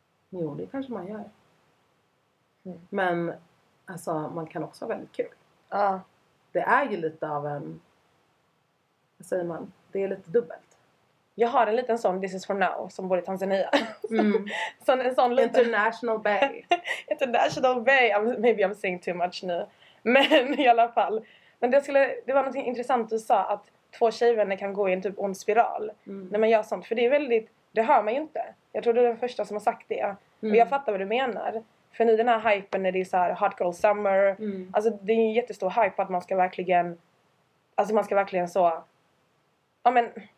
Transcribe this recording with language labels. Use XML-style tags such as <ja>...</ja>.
<sv>Jo, det kanske man gör. Mm. Men alltså, man kan också ha väldigt kul. Ja. Det är ju lite av en... Vad säger man? Det är lite dubbelt. Jag har en liten sån,</sv> <en>this is for now,</en> <sv>som bor i Tanzania. Mm. Sån, en sån liten...</sv> <en>International bay. International bay, maybe I'm saying too much nu.</en> <sv>Men i alla fall. Men det var något intressant du sa, att två tjejvänner kan gå i en typ ond spiral. Mm. När man gör sånt, för det är väldigt, det hör man ju inte. Jag tror du är den första som har sagt det. Mm. Och jag fattar vad du menar. För nu den här hypen när det är så här hot girl summer. Mm. Alltså det är en jättestor hype att man ska verkligen, alltså man ska verkligen så, ja men...</sv>